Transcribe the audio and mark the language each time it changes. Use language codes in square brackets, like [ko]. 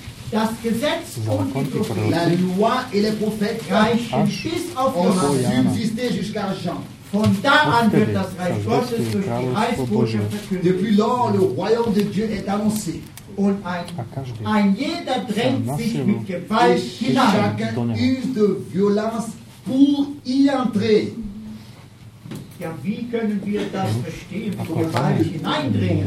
[de] Das Gesetz und die Propheten, [fr] la loi et les prophètes [de] reichen bis auf Johannes. Von da an wird das Reich Gottes durch die Heilsbotschaft verkündet. [fr] Depuis lors, le royaume de Dieu est annoncé. [de] Und ein jeder drängt sich mit Gewalt hinein. [fr] Chacun use de violence pour y entrer. [de] Ja, wie können wir das verstehen, wo wir eigentlich hineindringen?